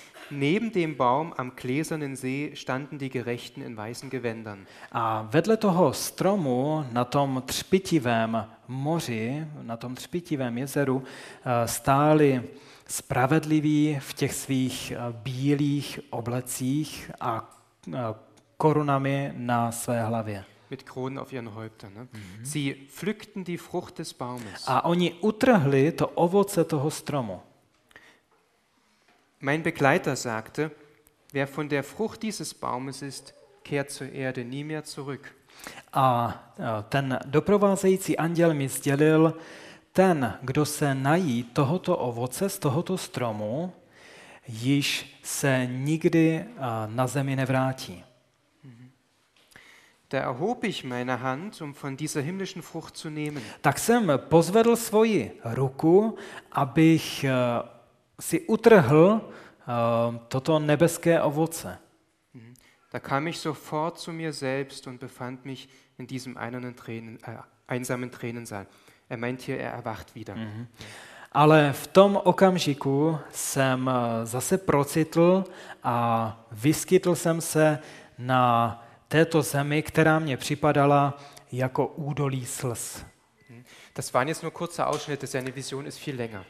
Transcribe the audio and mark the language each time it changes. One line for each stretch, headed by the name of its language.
German: Neben dem Baum am gläsernen See standen die Gerechten in weißen Gewändern.
Czech: A vedle toho stromu na tom třpitivém moři, na tom třpitivém jezeru, stáli spravedliví v těch svých bílých oblecích a korunami na své hlavě.
German: Mit Kronen auf ihren Häuptern, ne? Sie pflückten die Frucht des Baumes.
Czech: A oni utrhli to ovoce toho stromu.
German: Mein Begleiter sagte, wer von der Frucht dieses Baumes ist, kehrt zur Erde nie mehr zurück.
Czech: A ten doprovázející anděl mi sdělil, ten, kdo se nají tohoto ovoce z tohoto stromu, již se nikdy na zemi nevrátí.
German: Da erhob ich meine Hand, um von dieser himmlischen Frucht zu nehmen.
Czech: Tak jsem pozvedl svoji ruku, abych si utrhl toto nebeské ovoce.
German: Da kam ich sofort zu mir selbst und befand mich in diesem einsamen Tränensaal. Er meint hier, er erwacht wieder.
Czech: Ale v tom okamžiku jsem zase procitl a vyskytl jsem se na této zemi, která mě připadala jako údolí slz.
German: Das waren jetzt nur kurze Ausschnitte, seine Vision ist viel länger.